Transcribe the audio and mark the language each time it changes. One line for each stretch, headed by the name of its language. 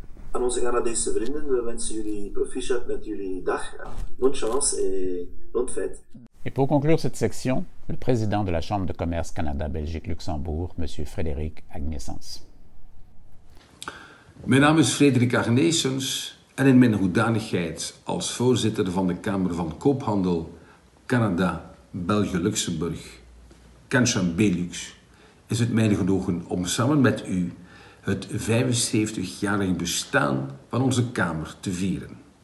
Dutch: Aan onze Canadese vrienden, we wensen jullie proficiat met jullie dag.
French: Bonne chance et bonne fête. Et pour conclure cette section, le président de la Chambre de commerce Canada-Belgique-Luxembourg, Monsieur Frédéric Agnesens.
Dutch: Mijn naam is Frédéric Agnesens en in mijn hoedanigheid als voorzitter van de Kamer van Koophandel Canada België, Luxemburg, Kanschan Belux, is het mij genoegen om samen met u het 75-jarig bestaan van onze Kamer te vieren.